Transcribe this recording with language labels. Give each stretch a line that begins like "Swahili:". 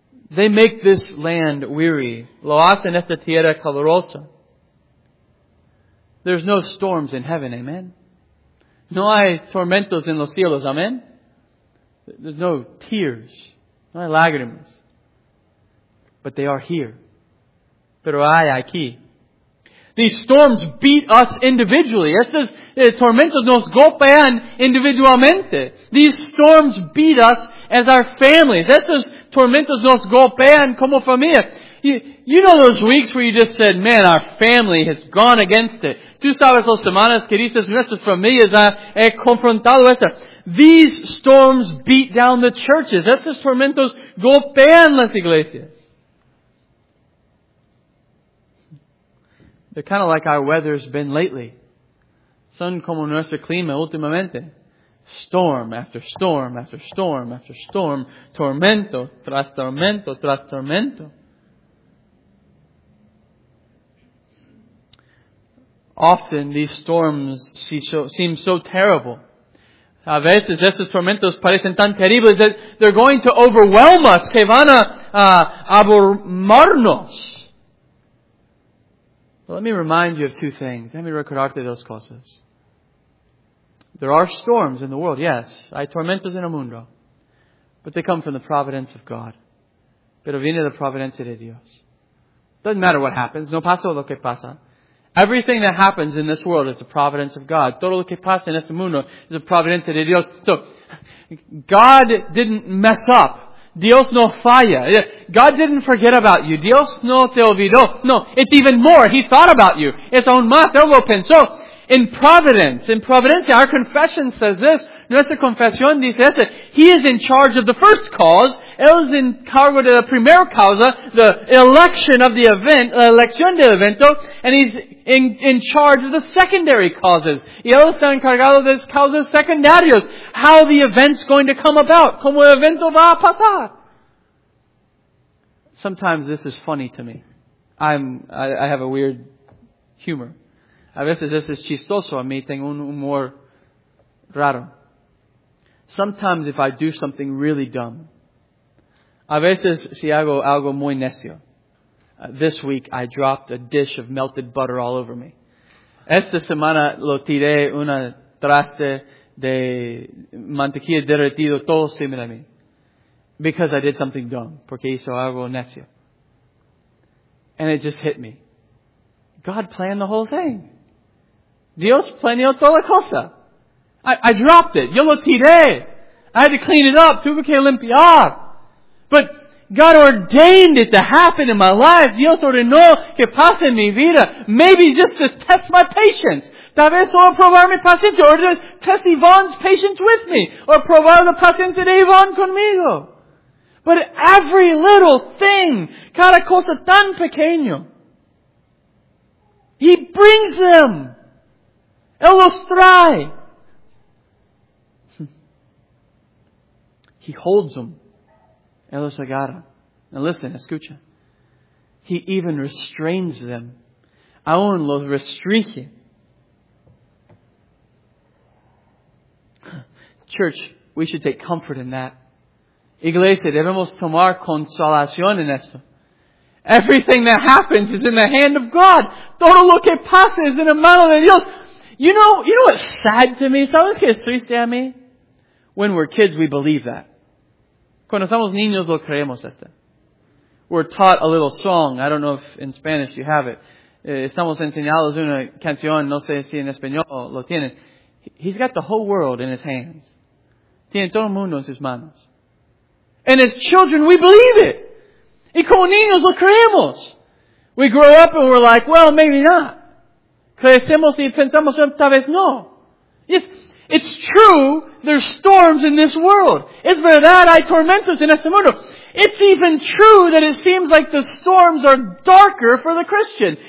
English: They make this land weary.
Spanish: Lo hacen esta tierra calurosa.
English: There's no storms in heaven, amen?
Spanish: No hay tormentos en los cielos, amen?
English: There's no tears.
Spanish: No hay lágrimas.
English: But they are here.
Spanish: Pero hay aquí.
English: These storms beat us individually.
Spanish: Estos tormentos nos golpean individualmente.
English: These storms beat us as our families.
Spanish: Estos tormentos nos golpean como familia.
English: You know those weeks where you just said, man, our family has gone against it.
Spanish: Tú sabes las semanas que dices, nuestras familias han confrontado eso.
English: These storms beat down the churches.
Spanish: Esos tormentos golpean las iglesias.
English: They're kind of like our weather has been lately.
Spanish: Son como nuestro clima últimamente.
English: Storm after storm after storm after storm.
Spanish: Tormento tras tormento tras tormento.
English: Often these storms seem so terrible.
Spanish: A veces esos tormentos parecen tan terribles
English: that they're going to overwhelm us,
Spanish: que van a abrumarnos.
English: Well, let me remind you of two things. Let me
Spanish: recordarte dos cosas.
English: There are storms in the world, yes.
Spanish: Hay tormentos en el mundo.
English: But they come from the providence of God.
Spanish: Pero viene de la providencia de Dios.
English: Doesn't matter what happens.
Spanish: No pasa lo que pasa.
English: Everything that happens in this world is the providence of God.
Spanish: Todo lo que pasa en este mundo es la providencia de Dios.
English: So, God didn't mess up.
Spanish: Dios no falla.
English: God didn't forget about you.
Spanish: Dios no te olvidó.
English: No, it's even more. He thought about you.
Spanish: Es aún más. Él lo pensó.
English: In providencia, our confession says this.
Spanish: Nuestra confesión dice este.
English: He is in charge of the first cause.
Spanish: Él es en cargo de la primera causa,
English: the election of the event,
Spanish: la elección del evento,
English: and he's in charge of the secondary causes.
Spanish: Y él está encargado de las causas secundarias.
English: How the event's going to come about.
Spanish: Como el evento va a pasar.
English: Sometimes this is funny to me. I have a weird humor.
Spanish: A veces
English: this is
Spanish: chistoso. A mí tengo un humor raro.
English: Sometimes if I do something really dumb,
Spanish: a veces si hago algo muy necio.
English: This week I dropped a dish of melted butter all over me.
Spanish: Esta semana lo tiré una traste de mantequilla derretido todo encima de mí.
English: Because I did something dumb.
Spanish: Porque hizo algo necio.
English: And it just hit me. God planned the whole thing.
Spanish: Dios planeó toda la cosa.
English: I dropped it.
Spanish: Yo lo tiré.
English: I had to clean it up.
Spanish: Tuve que limpiar.
English: But God ordained it to happen in my life.
Spanish: Dios ordenó que pase en mi vida.
English: Maybe just to test my patience.
Spanish: Tal vez solo probar mi paciencia.
English: Or to test Yvonne's patience with me.
Spanish: Or probar la paciencia de Yvonne conmigo.
English: But every little thing,
Spanish: cada cosa tan pequeño,
English: He brings them.
Spanish: Él los trae.
English: He holds them.
Spanish: Él los agarra.
English: Now listen,
Spanish: escucha. He even restrains them. Aún los restringe.
English: Church, we should take comfort in that.
Spanish: Iglesia, debemos tomar consolación en esto.
English: Everything that happens is in the hand of God.
Spanish: Todo lo que pasa es en la mano de Dios.
English: You know what's sad to me?
Spanish: ¿Sabes qué es triste a mí?
English: When we're kids, we believe that.
Spanish: Cuando somos niños, lo creemos este.
English: We're taught a little song. I don't know if in Spanish you have it.
Spanish: Estamos enseñados una canción. No sé si en español lo tienen.
English: He's got the whole world in his hands.
Spanish: Tiene todo el mundo en sus manos.
English: And as children, we believe it.
Spanish: Y como niños, lo creemos.
English: We grow up and we're like, well, maybe not.
Spanish: Crecemos y pensamos, tal vez no.
English: Yes. It's true, there's storms in this world.
Spanish: Es verdad, hay tormentos en este mundo.
English: It's even true that it seems like the storms are darker for the Christian.